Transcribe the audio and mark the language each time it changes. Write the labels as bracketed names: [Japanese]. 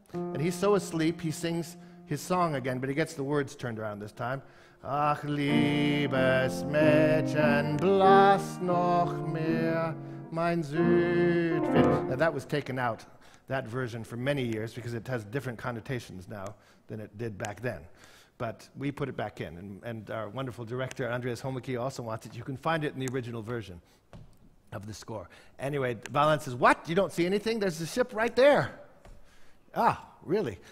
[English] And he's so asleep, he sings his song again, but he gets the words turned around this time. [German] Ach, liebes Mädchen, blass noch mehr, mein Südwind. [English] Now that was taken out, that version, for many years, because it has different connotations now than it did back then. But we put it back in, and our wonderful director, Andreas Homecke, also wants it. You can find it in the original version of the score. Anyway, Valen says, what? You don't see anything? There's a ship right there. Ah, really?